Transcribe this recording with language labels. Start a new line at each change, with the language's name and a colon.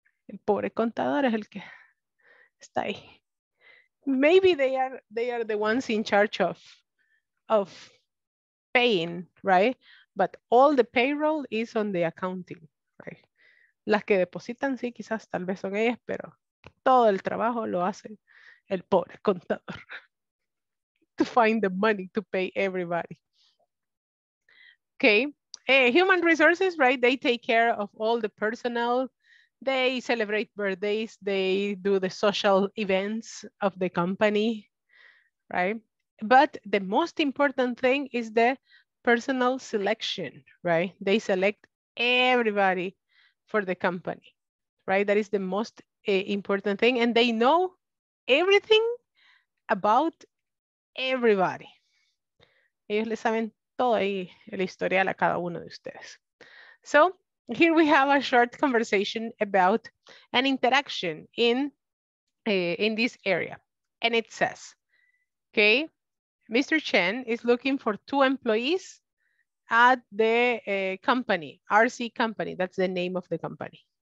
Spanish: El pobre contador es el que está ahí.
English: Maybe they are the ones in charge of paying, right? But all the payroll is on the accounting, right?
Spanish: Las que depositan, sí, quizás tal vez son ellas, pero todo el trabajo lo hace el pobre contador
English: to find the money to pay everybody. Okay, human resources, right? They take care of all the personnel. They celebrate birthdays. They do the social events of the company, right? But the most important thing is the personal selection, right? They select everybody for the company, right? That is the most important thing. And they know everything about everybody.
Spanish: Ellos le saben todo ahí, el historial a cada uno de ustedes.
English: So here we have a short conversation about an interaction in this area. And it says, okay, Mr. Chen is looking for 2 employees at the company, RC company, that's the name of the company.